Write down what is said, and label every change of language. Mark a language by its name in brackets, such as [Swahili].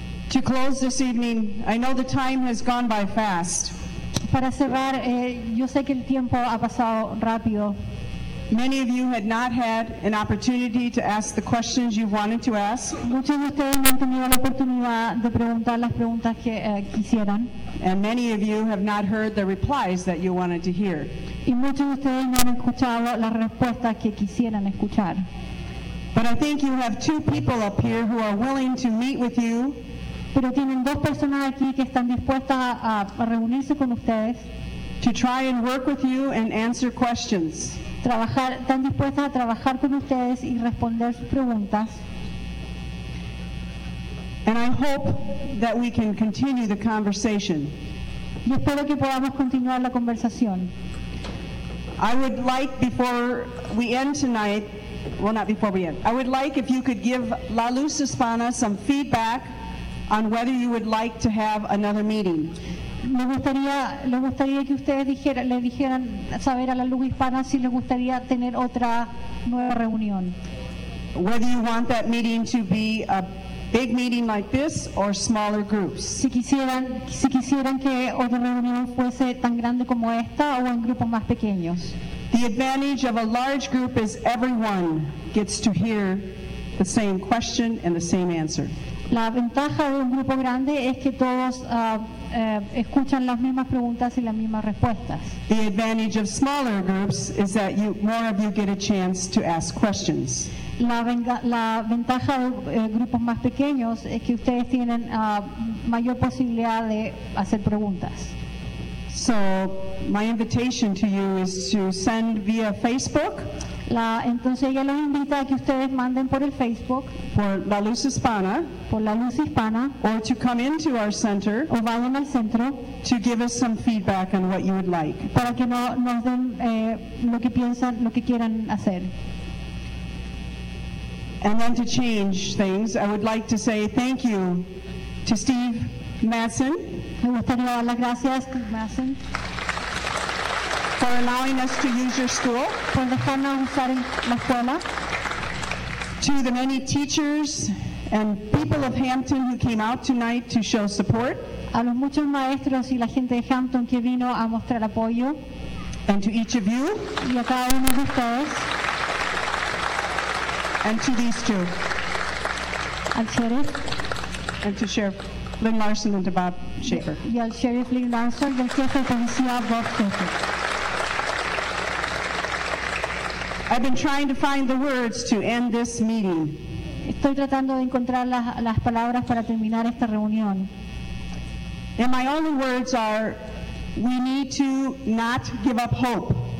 [English] To close this evening, I know the time has gone by fast. [Spanish] Para cerrar, yo sé que el tiempo ha pasado rápido. [English] Many of you had not had an opportunity to ask the questions you wanted to ask. [Spanish] Muchos de ustedes no han tenido la oportunidad de preguntar las preguntas que quisieran. [English] And many of you have not heard the replies that you wanted to hear. [Spanish] Y muchos de ustedes no han escuchado las respuestas que quisieran escuchar. [English] But I think you have two people up here who are willing to meet with you. [Spanish] Pero tienen dos personas aquí que están dispuestas a reunirse con ustedes. [English] To try and work with you and answer questions. [Spanish] Trabajar, están dispuestas a trabajar con ustedes y responder sus preguntas. [English] And I hope that we can continue the conversation. [Spanish] Y espero que podamos continuar la conversación. [English] I would like before we end tonight, well not before we end, I would like if you could give La Luz Hispana some feedback on whether you would like to have another meeting. [Spanish] Me gustaría que ustedes le dijeran saber a La Luz Hispana si les gustaría tener otra nueva reunión. [English] Whether you want that meeting to be a big meeting like this or smaller groups. [Spanish] Si quisieran que otra reunión fuese tan grande como esta o en grupos más pequeños. [English] The advantage of a large group is everyone gets to hear the same question and the same answer. [Spanish] La ventaja de un grupo grande es que todos escuchan las mismas preguntas y las mismas respuestas. [English] The advantage of smaller groups is that more of you get a chance to ask questions. [Spanish] La ventaja de grupos más pequeños es que ustedes tienen mayor posibilidad de hacer preguntas. [English] So my invitation to you is to send via Facebook. [Spanish] Entonces ella los invita a que ustedes manden por el Facebook. Por La Luz Hispana. Por La Luz Hispana. [English] Or to come into our center. [Spanish] O vayan al centro. [English] To give us some feedback on what you would like. [Spanish] Para que nos den lo que piensan, lo que quieran hacer. [English] And then to change things, I would like to say thank you to Steve Madsen. [Spanish] Me gustaría dar las gracias, Madsen. [English] For allowing us to use your school. [Spanish] Por dejarnos usar la escuela. [English] To the many teachers and people of Hampton who came out tonight to show support. [Spanish] A los muchos maestros y la gente de Hampton que vino a mostrar apoyo. [English] And to each of you. [Spanish] Y a cada uno de ustedes. [English] And to these two. [Spanish] Al sheriff. [English] And to Sheriff Lynn Larson and to Bob Schaefer. [Spanish] Y al Sheriff Lynn Larson y al jefe de policía Bob Schaefer. [English] I've been trying to find the words to end this meeting. [Spanish] Estoy tratando de encontrar las palabras para terminar esta reunión. [English] And my only words are, we need to not give up hope.